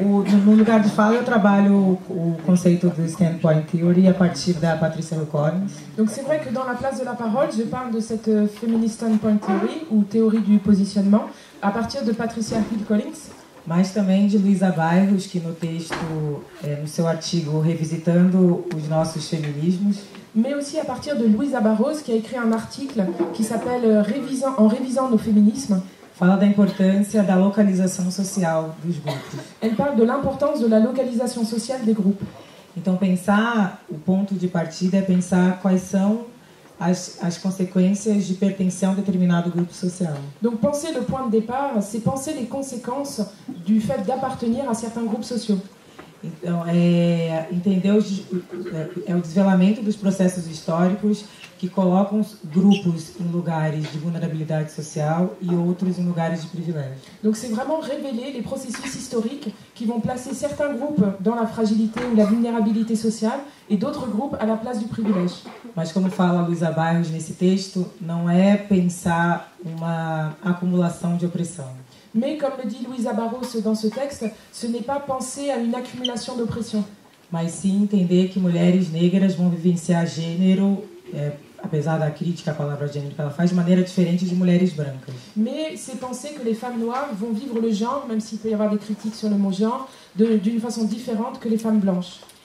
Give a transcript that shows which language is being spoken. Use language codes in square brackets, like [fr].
[pt] no lugar de fala, eu trabalho o conceito do standpoint theory a partir da Patricia Hill Collins. [fr] Donc c'est vrai que dans la place de la parole, je parle de cette feminist standpoint theory ou théorie du positionnement à partir de Patricia Hill Collins. [pt] Mas também de Luisa Bairros, que no texto, no seu artigo Revisitando os Nossos Feminismos. [fr] Mais aussi à partir de Luisa Barros, qui a écrit un article qui s'appelle En révisant nos féminismes. [pt] Fala da importância da localização social dos grupos. [fr] Elle parle de l'importance de la localisation sociale des groupes. [pt] Então, pensar o ponto de partida é pensar quais são as consequências de pertencer a determinado grupo social. [fr] Donc penser le point de départ, c'est penser les conséquences du fait d'appartenir à certains groupes sociaux. [pt] Então, entender o desvelamento dos processos históricos que colocam grupos em lugares de vulnerabilidade social e outros em lugares de privilégio. [fr] Donc c'est vraiment révéler les processus historiques qui vont placer certains groupes dans la fragilité ou la vulnérabilité sociale et d'autres groupes à la place du privilège. [pt] Mas como fala Luisa Bairros nesse texto, não é pensar uma acumulação de opressão. [fr] Mais comme le dit Luisa Barros dans ce texte, ce n'est pas penser à une accumulation d'oppression. [pt] Mas sim entender que mulheres negras vão vivenciar gênero, apesar da crítica à palavra gênero que ela faz, de maneira diferente de mulheres brancas. [fr] Mais c'est penser que les femmes noires vont vivre le genre, même s'il peut y avoir des critiques sur le mot genre, d'une façon différente que les femmes blanches.